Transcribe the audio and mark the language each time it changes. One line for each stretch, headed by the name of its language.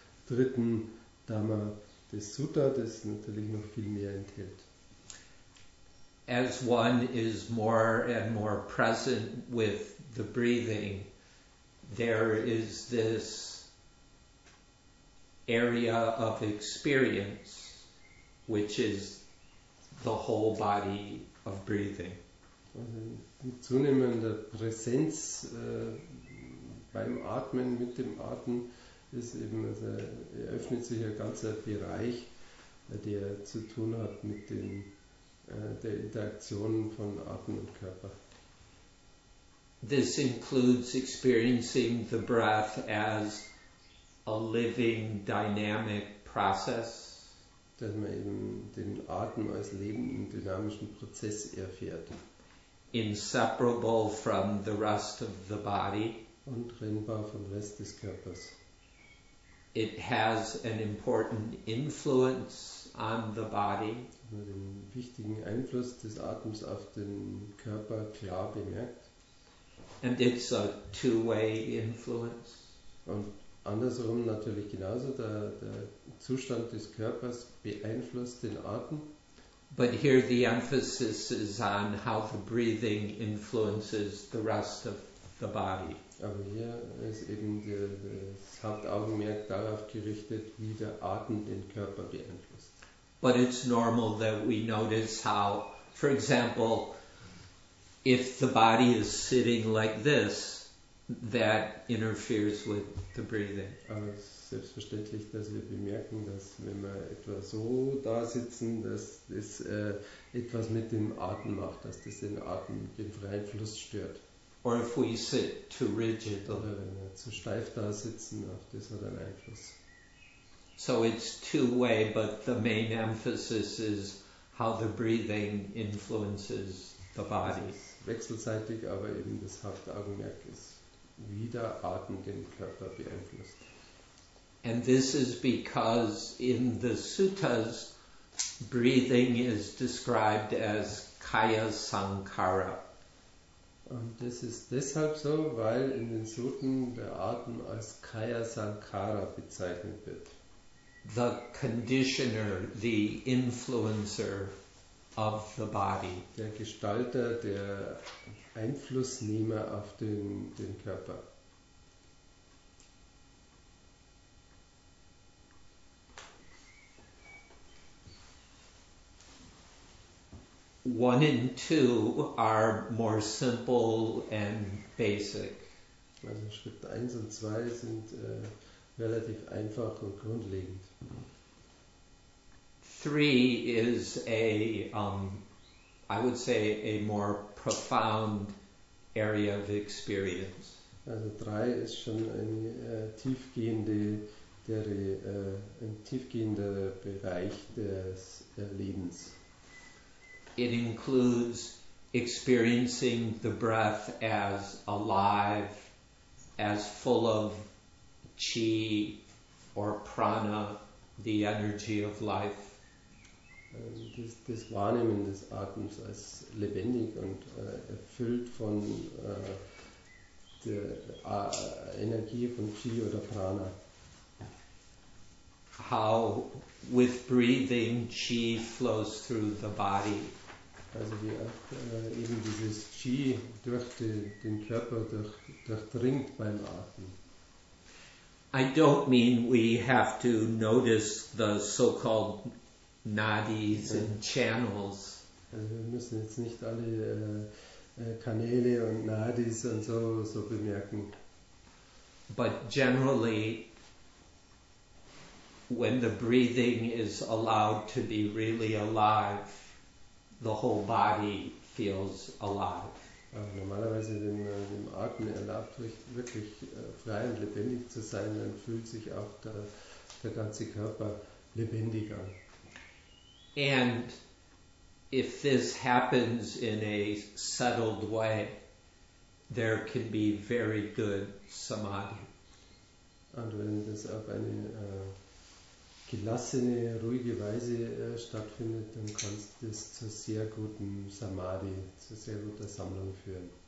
German: dritten Dhamma des Sutta, das natürlich noch viel mehr enthält.
English: As one is more and more present with the breathing, there is this area of experience, which is the whole body of breathing.
German: Also in zunehmender Präsenz beim Atmen, mit dem Atmen, ist eben, also eröffnet sich ein ganzer Bereich, der zu tun hat mit dem, der Interaktion von Atem und Körper.
English: This includes experiencing the breath as a living, dynamic process.
German: Dass man eben den Atem als lebenden, dynamischen Prozess erfährt.
English: Inseparable from the rest of the body.
German: Untrennbar vom Rest des Körpers.
English: It has an important influence on the body.
German: Den wichtigen Einfluss des Atems auf den Körper klar bemerkt.
English: And it's a two-way influence.
German: Und andersrum natürlich genauso, der Zustand des Körpers beeinflusst den Atem.
English: But here the emphasis is on how the breathing influences the rest of the body.
German: Aber hier ist eben das Hauptaugenmerk darauf gerichtet, wie der Atem den Körper beeinflusst.
English: But it's normal that we notice how, for example, if the body is sitting like this, that interferes with the breathing.
German: Aber es ist selbstverständlich, dass wir bemerken, dass wenn wir etwa so da sitzen, dass das etwas mit dem Atem macht, dass das den Atem, den freien Fluss stört.
English: Or if we sit too rigid.
German: Oder wenn wir zu steif da sitzen, auch das hat einen Einfluss.
English: So it's two-way, but the main emphasis is how the breathing influences the body.
German: Es ist wechselseitig, aber eben das Hauptaugenmerk ist, wie der Atem den Körper beeinflusst.
English: And this is because in the suttas, breathing is described as kaya sankara.
German: Und das ist deshalb so, weil in den Sutten der Atem als kaya sankara bezeichnet wird.
English: The conditioner, the influencer of the body.
German: Der Gestalter, der Einflussnehmer auf den Körper.
English: One and two are more simple and basic.
German: Also Schritt 1 und 2 sind relativ einfach und grundlegend.
English: 3 is a, I would say, a more profound area of experience.
German: Also 3 ist schon eine tiefgehender Bereich des Erlebens.
English: It includes experiencing the breath as alive, as full of qi or prana, the energy of life.
German: Das Wahrnehmen des Atems als lebendig und erfüllt von der Energie von qi oder prana.
English: How with breathing qi flows through the body.
German: Also wie auch eben dieses Qi durch den Körper durchdringt beim Atmen.
English: I don't mean we have to notice the so-called nadis and channels.
German: Also wir müssen jetzt nicht alle Kanäle und Nadis und so bemerken.
English: But generally, when the breathing is allowed to be really alive, the whole body feels alive.
German: Aber normalerweise, wenn man dem Atmen erlaubt, wirklich frei und lebendig zu sein, dann fühlt sich auch der ganze Körper lebendig an.
English: And if this happens in a settled way, there can be very good samadhi.
German: Und wenn das auf eine gelassene, ruhige Weise stattfindet, dann kannst du das zu sehr guten Samadhi, zu sehr guter Sammlung führen.